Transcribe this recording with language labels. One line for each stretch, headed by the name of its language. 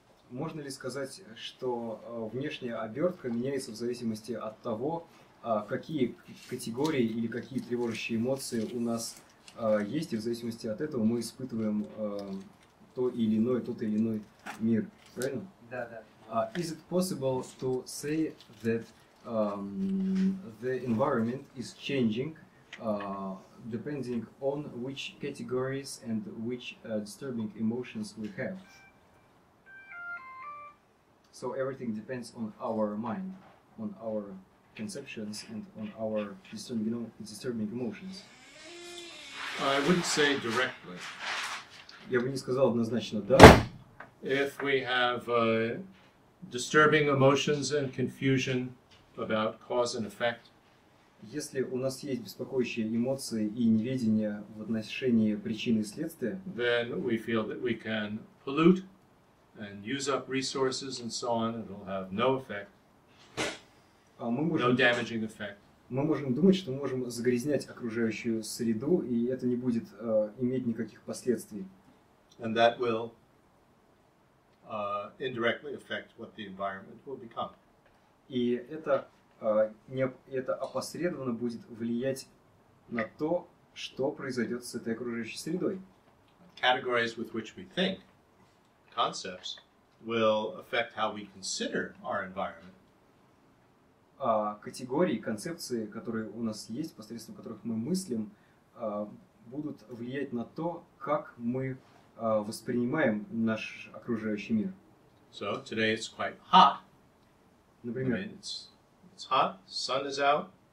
Russian: Можно ли сказать, что внешняя обертка меняется в зависимости от того, какие категории или какие тревожащие эмоции у нас есть, и в зависимости от этого мы испытываем то или иной, тот или иной мир, правильно? Да, да.
English: Is it possible to say that the environment is changing depending on which categories and which disturbing emotions we have. So everything depends on our mind, on our conceptions, and on our disturbing emotions. I wouldn't say directly.
Russian: Я бы не сказал однозначно, да.
English: If we have disturbing emotions and confusion about cause and effect,
Russian: если у нас есть беспокоящие эмоции и неведение в отношении причины и следствия,
English: then we feel that we can pollute and use up resources and so on, and it'll have no effect, no damaging effect.
Russian: Мы можем думать, что мы можем загрязнять окружающую среду, и это не будет иметь никаких последствий.
English: And that will indirectly affect what the environment will become.
Russian: И это это опосредованно будет влиять на то, что произойдет с этой окружающей средой.
English: Categories with which we think, concepts, will affect how we consider our environment.
Russian: Категории, концепции, которые у нас есть, посредством которых мы мыслим, будут влиять на то, как мы воспринимаем наш окружающий мир.
English: So, today it's quite hot.
Russian: Например,
English: it's hot, sun is out.